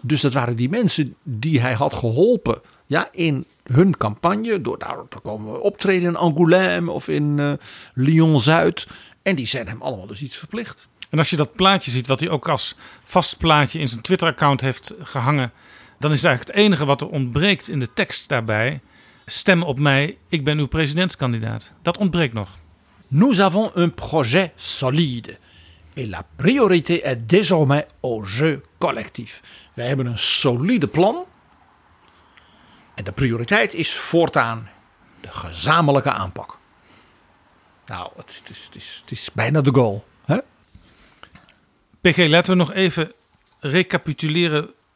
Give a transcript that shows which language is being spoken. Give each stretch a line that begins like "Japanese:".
Dutch: Dus dat waren die mensen die hij had geholpen, ja, in hun campagne, door daar te komen optreden in Angoulême of in Lyon-Zuid. En die zijn hem allemaal dus iets verplicht. En als je dat plaatje ziet, wat hij ook als vast plaatje in zijn Twitter-account heeft gehangen, dan is eigenlijk het enige wat er ontbreekt in de tekst daarbij: stem op mij, ik ben uw presidentskandidaat. Dat ontbreekt nog.
French: Nous avons un projet solide. Et la priorité est désormais au jeu collectif.
Dutch: Wij hebben een solide plan. En de prioriteit is voortaan de gezamenlijke aanpak. Nou, het is bijna de goal. Hè? PG, laten we nog even recapituleren.